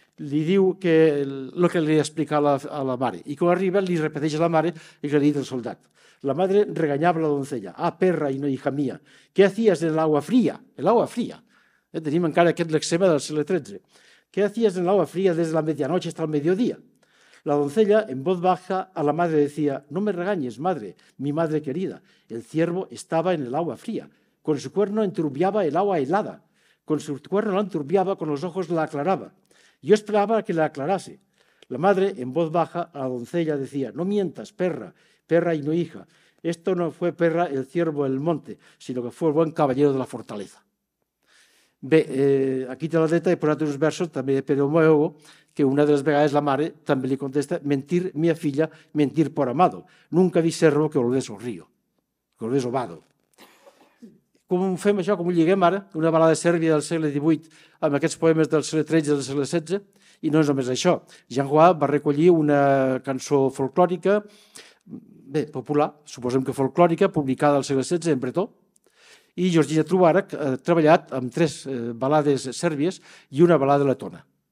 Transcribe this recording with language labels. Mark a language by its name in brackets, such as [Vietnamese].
[Catalan] Li diu que el que li ha explicat a la mare, i quan arriba li repeteix a la mare i li ha dit el soldat. La mare regañava la doncella, [Spanish] ah, perra i no hija mía, què hacías en l'agua fría? En l'agua fría. [Catalan] Tenim encara aquest lexema del segle XIII. [Spanish] Què hacías en l'agua fría des de la medianoche hasta el mediodía? La doncella, en voz baja, a la madre decía, no me regañes, madre, mi madre querida. El ciervo estaba en el agua fría. Con su cuerno enturbiaba el agua helada. Con su cuerno la enturbiaba, con los ojos la aclaraba. Yo esperaba que la aclarase. La madre, en voz baja, a la doncella decía, no mientas, perra, perra y no hija. Esto no fue perra el ciervo del monte, sino que fue el buen caballero de la fortaleza. [Catalan] Bé, aquí té la letra i posat uns versos també de Pedro Moego, que una de les vegades la mare també li contesta [Galician] mentir, mia filla, mentir por amado. Nunca vi servo que volvés al río, que volvés al vado. [Catalan] Com ho fem això, com ho lliguem ara, una balada sèrbia del segle XVIII amb aquests poemes del segle XIII i del segle XVI? I no és només això. Jean Roy va recollir una cançó folclòrica, bé, popular, suposem que folclòrica, publicada al segle XVI en bretó, i Georgina Trubarac ha treballat amb tres balades sèrbies i una balada letona.